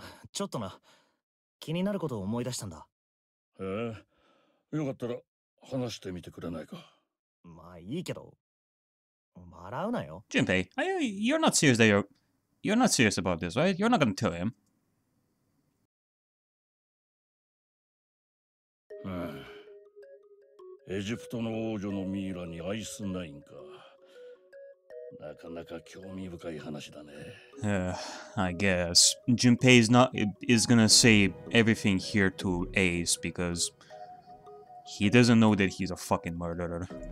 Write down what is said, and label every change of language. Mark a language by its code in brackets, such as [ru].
[ja] ちょっとな。気になることを思い出したんだ。へえ、よかったら話してみてくれないか。まあいいけど、笑うなよ。Junpei, [en] you're not serious that you're not serious about this, right? You're not gonna tell him. [ja] エジプトの王女のミイラにアイスナインか。 [en] I guess Junpei is gonna say everything here to Ace because he doesn't know that he's a fucking murderer.